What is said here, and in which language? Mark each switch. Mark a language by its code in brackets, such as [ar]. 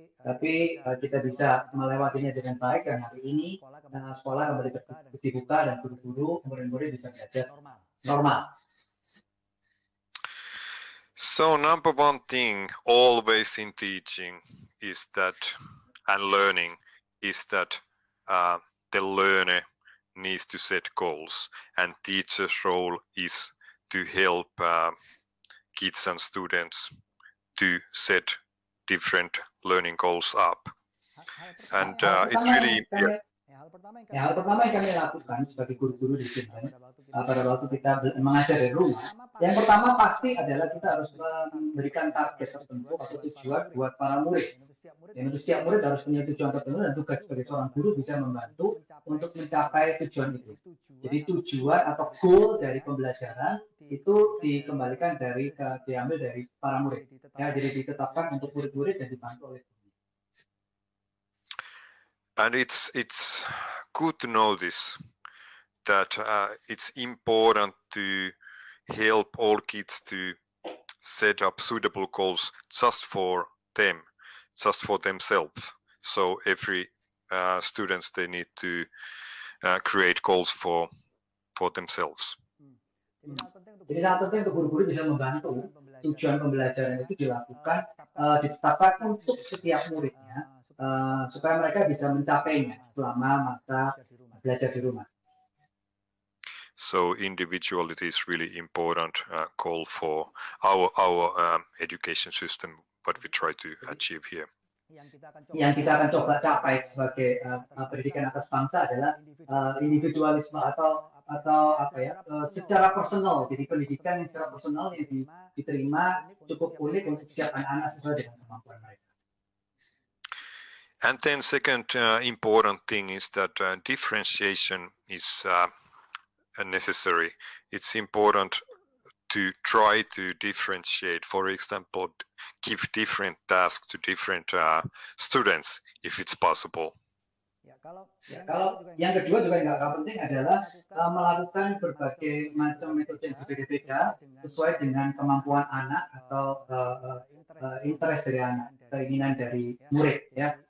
[id] Tapi kita bisa melewatinya dengan baik, dan hari ini sekolah kembali dibuka dan guru-guru, murid-murid bisa belajar normal. [en] So number one thing always in teaching is that, and learning, is that the learner needs to set goals, and teacher's role is to help kids and students to set different learning goals up. And it's really... Yeah. [id] Ya, hal pertama yang kami lakukan sebagai guru-guru di Finland pada waktu kita mengajar dari rumah, yang pertama pasti adalah kita harus memberikan target tertentu atau tujuan buat para murid. Dan untuk setiap murid harus punya tujuan tertentu dan tugas sebagai seorang guru bisa membantu untuk mencapai tujuan itu. Jadi tujuan atau goal dari pembelajaran itu dikembalikan dari diambil dari para murid. Ya, jadi ditetapkan untuk murid-murid dan dibantu oleh. [en] And it's good to notice that it's important to help all kids to set up suitable goals just for them, just for themselves. So every student, they need to create goals for themselves. [id] Jadi satu penting untuk guru-guru bisa membantu tujuan pembelajaran itu dilakukan ditetapkan untuk setiap muridnya supaya mereka bisa mencapainya selama masa belajar di rumah. [en] So individuality is really important goal for our education system, what we try to achieve here. [id] Yang kita akan coba capai sebagai pendidikan atas bangsa adalah individualisme atau apa ya, secara personal. Jadi pendidikan yang secara personal yang diterima cukup unik untuk setiap anak-anak sesuai dengan kemampuan mereka. [en] And then second important thing is that differentiation is necessary. It's important to try to differentiate, for example, give different tasks to different students, if it's possible. [id] Ya, kalau yang kedua juga yang gak kalah penting adalah melakukan berbagai macam metode yang berbeda-beda sesuai dengan kemampuan anak atau interest dari anak, keinginan dari murid. Ya.